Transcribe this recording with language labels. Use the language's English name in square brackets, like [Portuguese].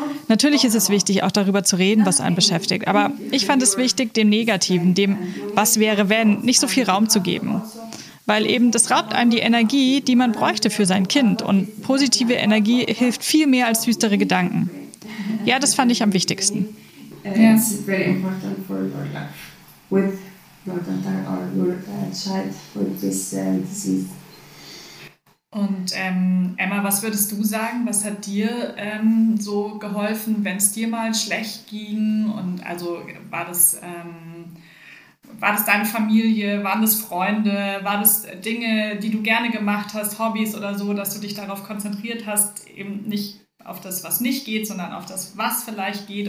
[German] Natürlich ist es wichtig, auch darüber zu reden, was einen beschäftigt. Aber ich fand es wichtig, dem Negativen, dem Was wäre, wenn, nicht so viel Raum zu geben. Weil eben das raubt einem die Energie, die man bräuchte für sein Kind. Und positive Energie hilft viel mehr als düstere Gedanken. Ja, das fand ich am wichtigsten. Ja. [English] It's very important for your life with your daughter or your child for this disease. [German] Und Emma, was würdest du sagen? Was hat dir so geholfen, wenn es dir mal schlecht ging? Und also war das... war das deine Familie? Waren das Freunde? War das Dinge, die du gerne gemacht hast, Hobbys oder so, dass du dich darauf konzentriert hast, eben nicht auf das, was nicht geht, sondern auf das, was vielleicht geht?